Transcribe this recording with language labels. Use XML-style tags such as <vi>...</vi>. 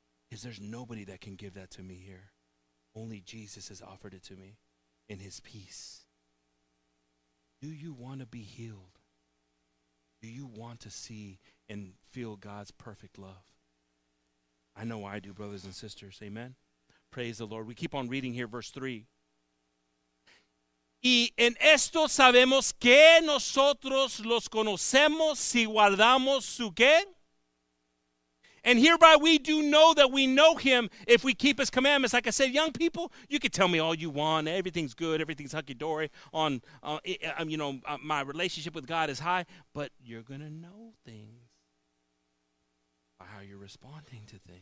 <en>Because there's nobody that can give that to me here. Only Jesus has offered it to me in his peace. Do you want to be healed? Do you want to see and feel God's perfect love? I know I do, brothers and sisters. Amen. Praise the Lord. We keep on reading here, verse 3.</en> <es>Y en esto sabemos que nosotros los conocemos si guardamos su qué?</es> <en>And hereby we do know that we know him if we keep his commandments. Like I said, young people, you can tell me all you want. Everything's good. Everything's hunky-dory. My relationship with God is high. But you're going to know things by how you're responding to things.</en>